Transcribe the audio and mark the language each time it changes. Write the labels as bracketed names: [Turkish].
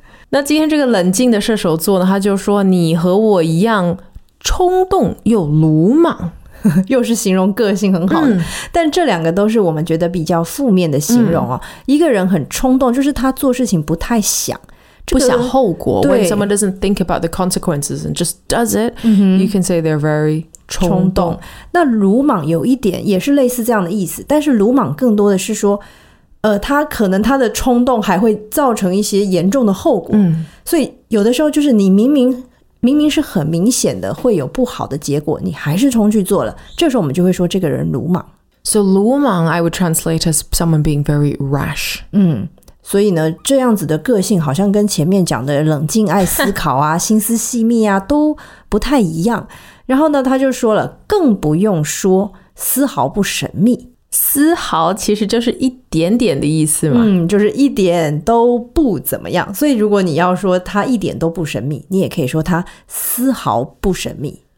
[Chinese] 那今天这个冷静的射手座呢，他就说你和我一样冲动又鲁莽，又是形容个性很好的。但这两个都是我们觉得比较负面的形容哦。一个人很冲动就是他做事情不太想、不想后果。 [English] 对， When someone doesn't think about the consequences and just does it、you can say they're very [Chinese] 冲动。那鲁莽有一点也是类似这样的意思，但是鲁莽更多的是说他可能他的冲动还会造成一些严重的后果。嗯，所以有的时候就是你明明是很明显的会有不好的结果，你还是冲去做了，这时候我们就会说这个人鲁莽。 [English] So 鲁莽 I would translate as someone being very rash. [Chinese] 嗯，所以呢这样子的个性好像跟前面讲的冷静爱思考啊心思细密啊都不太一样。然后呢他就说了，更不用说丝毫不神秘。丝毫其实就是一点点的意思嘛。嗯，就是一点都不怎么样。所以如果你要说他一点都不神秘，你也可以说他丝毫不神秘。